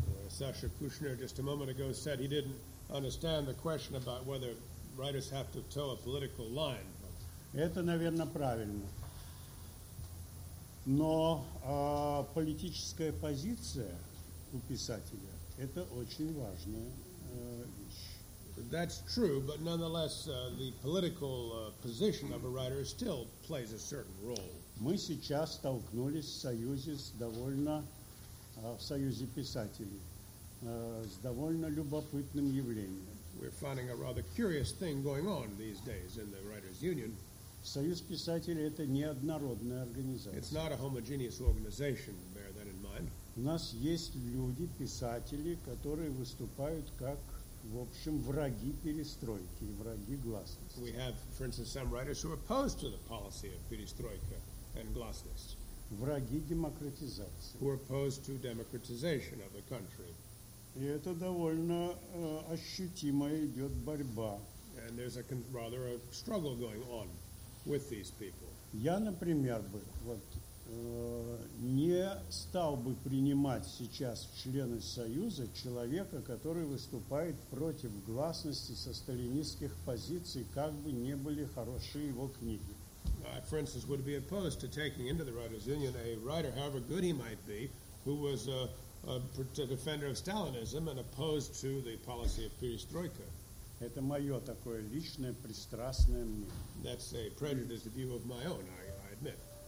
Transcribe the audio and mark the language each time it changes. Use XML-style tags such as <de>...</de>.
<en>Саша Кушнер just a moment ago said he didn't understand the question about whether writers have to toe a political line.</en> <ru>Это, наверное, правильно. Но политическая позиция у писателя – это очень важная вещь.</ru> <en>That's true, but nonetheless, the political position of a writer still plays a certain role.</en> <ru>Мы сейчас столкнулись в союзе с довольно в союзе писателей с довольно любопытным явлением.</ru> <en>We're finding a rather curious thing going on these days in the Writers' Union.</en> <ru>Союз писателей — это неоднородная организация.</ru> <en>It's not a homogeneous organization. Bear that in mind.</en> <ru>У нас есть люди, писатели, которые выступают как в общем, враги перестройки, враги гласности.</ru> <en>We have, for instance, some writers who are opposed to the policy of перестройка and glasnost.</en> <ru>Враги демократизации.</ru> <en>Who are opposed to democratization of the country.</en> <ru>И это довольно ощутимая идет борьба.</ru> <en>And there's a rather a struggle going on with these people.</en> <ru>Я, например, бы вот не стал бы принимать сейчас в члены Союза человека, который выступает против гласности со сталинистских позиций, как бы не были хорошие его книги.</ru> <en>I, for instance, would be opposed to taking into the Writers' Union a writer, however good he might be, who was a defender of Stalinism and opposed to the policy of perestroika.</en> <ru>Это мое такое личное пристрастное мнение.</ru> <en>That's a prejudiced view of my own, I admit.</en>